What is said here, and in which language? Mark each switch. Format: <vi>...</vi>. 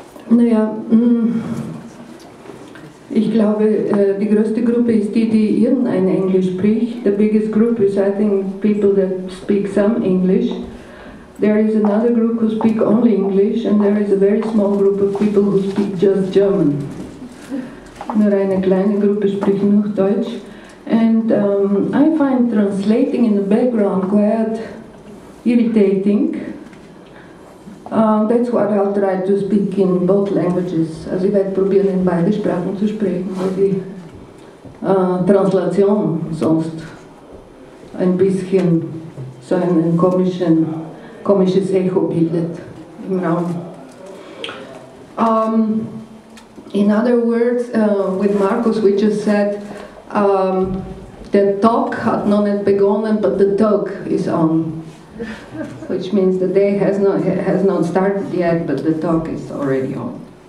<de>Naja, ich glaube, die größte Gruppe ist die, die irgendein Englisch spricht.</de> <en>The biggest group is, I think, people that speak some English. There is another group who speak only English, and there is a very small group of people who speak just German.</en> <de>Nur eine kleine Gruppe spricht noch Deutsch.</de> <en>And I find translating in the background quite irritating. That's what I'll try to speak in both languages.</en> <de>Also ich werde probieren, in beide Sprachen zu sprechen, weil die Translation sonst ein bisschen so ein komisches Echo bildet im Raum.</de> <en>In other words, with Markus, we just said, the talk</en> <de>hat noch nicht begonnen,</de> <en>but the talk is on. Which means the day has not started yet, but the talk is already on.</en>